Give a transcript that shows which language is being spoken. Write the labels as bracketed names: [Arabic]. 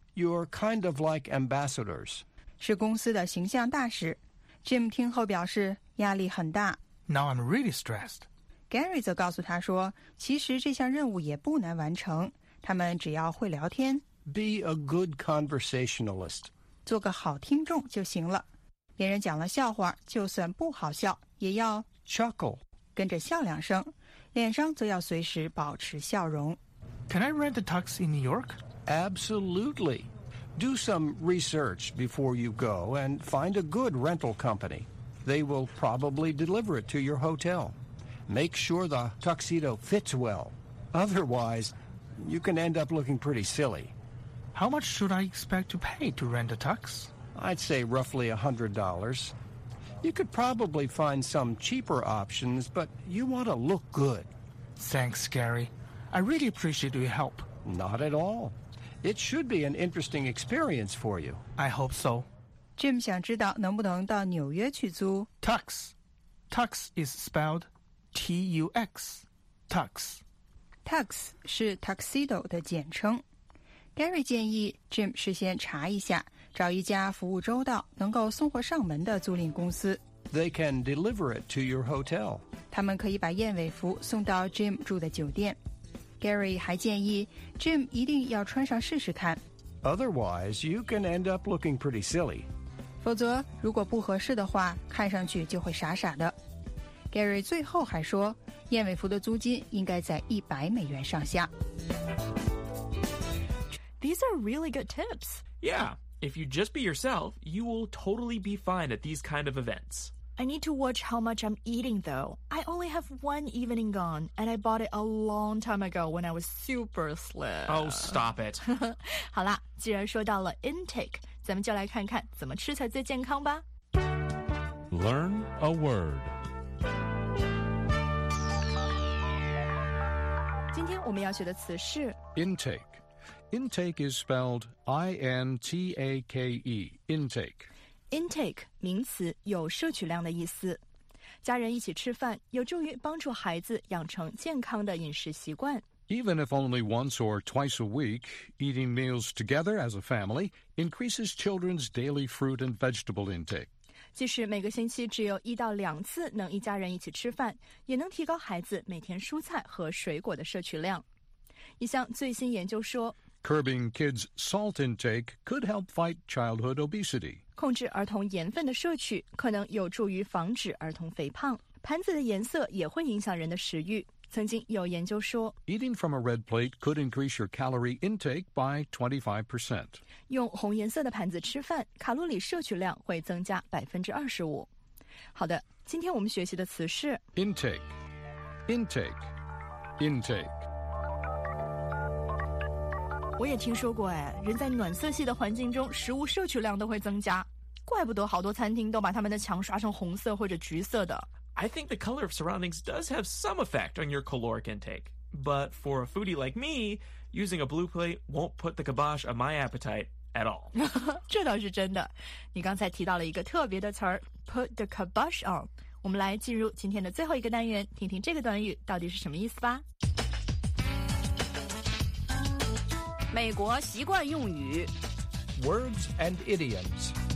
[English] You're kind of like ambassadors. [Chinese] 是公司的形象大使。 Jim 听后表示压力很大。 [English] Now I'm really stressed. [Chinese] Gary 则告诉他说其实这项任务也不难完成他们只要会聊天。 [English] Be a good conversationalist. [Chinese] 做个好听众就行了。别人讲了笑话就算不好笑也要 [English] chuckle. [Chinese] 跟着笑两声。脸上则要随时保持笑容。 [English] Can I rent a tux in New York? Absolutely. Do some research before you go and find a good rental company. They will probably deliver it to your hotel. Make sure the tuxedo fits well. Otherwise, you can end up looking pretty silly. How much should I expect to pay to rent a tux? I'd say roughly $100. You could probably find some cheaper options, but you want to look good. Thanks, Gary. I really appreciate your help. Not at all. It should be an interesting experience for you. I hope so. [Chinese] Jim 想知道能不能到纽约去租 [English] Tux. Tux is spelled T-U-X. Tux. [Chinese] Tux 是 tuxedo 的简称。 Gary 建议 Jim 事先查一下找一家服务周到能够送货上门的租赁公司 [English] They can deliver it to your hotel [Chinese] 他们可以把燕尾服送到 Jim 住的酒店 Gary 还建议 Jim 一定要穿上试试看 [English] Otherwise you can end up looking pretty silly [Chinese] 否则如果不合适的话看上去就会傻傻的 Gary 最后还说燕尾服的租金应该在$100上下 [English] These are really good tips Yeah If you just be yourself, you will totally be fine at these kind of events. I need to watch how much I'm eating, though. I only have one evening gone, and I bought it a long time ago when I was super slim. Oh, stop it. [Chinese] 好啦，既然说到了 intake, 咱们就来看看怎么吃才最健康吧。 [English] Learn a word. [Chinese] 今天我们要学的词是 [English] intake. Intake is spelled I-N-T-A-K-E, intake. [Chinese] Intake, 名词有摄取量的意思。家人一起吃饭有助于帮助孩子养成健康的饮食习惯。 [English] Even if only once or twice a week, eating meals together as a family increases children's daily fruit and vegetable intake. [Chinese] 即使每个星期只有一到两次能一家人一起吃饭也能提高孩子每天蔬菜和水果的摄取量。一项最新研究说 [English] Curbing kids' salt intake could help fight childhood obesity. [Chinese] 控制儿童盐分的摄取可能有助于防止儿童肥胖。盘子的颜色也会影响人的食欲。曾经有研究说 [English] Eating from a red plate could increase your calorie intake by 25%. [Chinese] 用红颜色的盘子吃饭卡路里摄取量会增加25%。好的今天我们学习的词是 [English] Intake, intake, intake. [Chinese] 我也听说过哎，人在暖色系的环境中，食物摄取量都会增加，怪不得好多餐厅都把他们的墙刷成红色或者橘色的。 [English] I think the color of surroundings does have some effect on your caloric intake, but for a foodie like me, using a blue plate won't put the kibosh on my appetite at all. [Chinese] 这倒是真的。你刚才提到了一个特别的词儿 ， [English] put the kibosh on。 [Chinese] 我们来进入今天的最后一个单元，听听这个短语到底是什么意思吧。美国习惯用语 [English] Words and idioms